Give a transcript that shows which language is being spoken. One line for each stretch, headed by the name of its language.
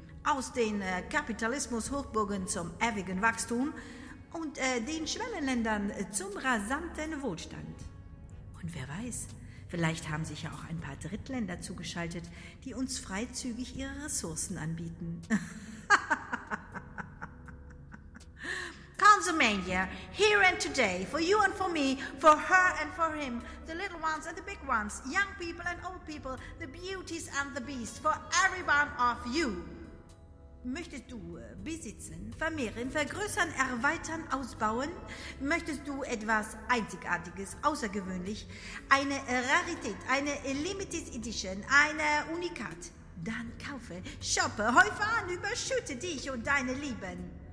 German: Aus den Kapitalismus-Hochburgen zum ewigen Wachstum und den Schwellenländern zum rasanten Wohlstand. Und wer weiß, vielleicht haben sich ja auch ein paar Drittländer zugeschaltet, die uns freizügig ihre Ressourcen anbieten.
English: Consumania, here and today, for you and for me, for her and for him, the little ones and the big ones, young people and old people, the beauties and the beasts, for everyone of you.
German: Möchtest du besitzen, vermehren, vergrößern, erweitern, ausbauen? Möchtest du etwas Einzigartiges, außergewöhnlich, eine Rarität, eine Limited Edition, eine Unikat? Dann kaufe, shoppe, häufe an, überschütte dich und deine Lieben.